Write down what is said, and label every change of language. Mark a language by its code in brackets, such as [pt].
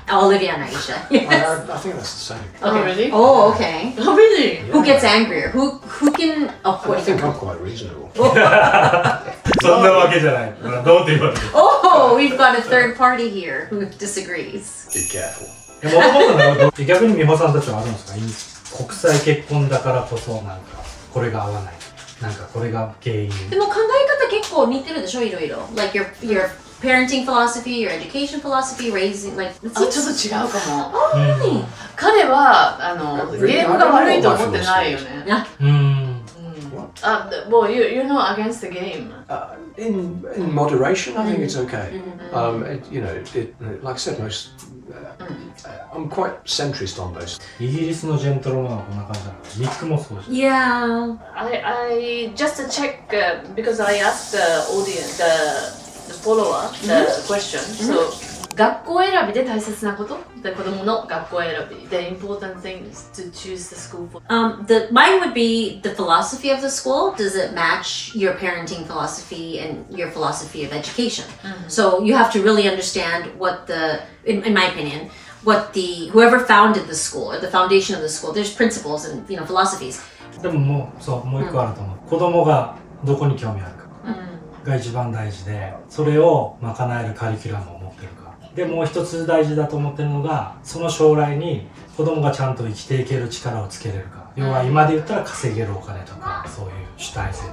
[en] Olivia and Aisha. Yes. I think that's the same. Okay, really? Oh, okay. Oh, really? Who gets angrier? Who can afford it? I think I'm quite reasonable. [ja] そんなわけじゃない。どうって言われる。 [en] Oh, we've got a third party here who disagrees. Be careful. [ja] でも逆に美穂さんたちはあるんですか、国際結婚だからこそなんかこれが合わない、なんかこれが原因。でも考え方結構似てるでしょ、いろいろ。 [en] Like your parenting philosophy, your education philosophy, raising, like... [ja] あ、ちょっと違うかも。あ、本当に。彼は、あの、ゲームが悪いと思ってないよね。 [en] Well, you're not against the game. In moderation, I think it's okay. You know, like I said, most... I'm quite centrist on those. [ja] イギリスのジェントルマンはこんな感じだから、ニックもそうじゃん。Yeah. [en] I just to check, because I asked the audience, the follower, the question. [ja] So, 学校選びで大切なこと、で子供の学校選び、 [en] the important things to choose the school for. Mine would be the philosophy of the school. Does it match your parenting philosophy and your philosophy of education? So you have to really understand what the, in my opinion,what the, whoever founded the school or the foundation of the school, there's principles and, you know, philosophies. [ja] でももう、そう、もう一個あると思う。子供がどこに興味あるかが一番大事で、それを賄えるカリキュラムを持ってるか。で、もう一つ大事だと思ってるのが、その将来に子供がちゃんと生きていける力をつけれるか。要は今で言ったら稼げるお金とか、そういう主体性。